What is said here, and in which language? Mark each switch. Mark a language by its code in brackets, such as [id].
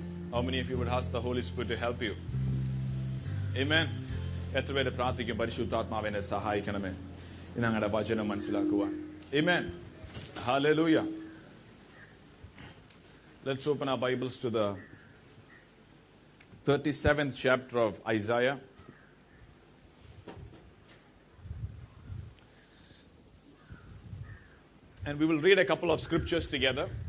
[en] How many of you would ask the Holy Spirit to help you? Amen. [ml] എത്രപേരെ പ്രാർത്ഥിക്കും പരിശുദ്ധാത്മാവിനെ സഹായിക്കണമേ ഇന്ന് ഞങ്ങളുടെ വചനം മനസ്സിലാക്കുവാൻ. ആമേൻ. Hallelujah. [en] Let's open our Bibles to the 37th chapter of Isaiah. And we will read a couple of scriptures together.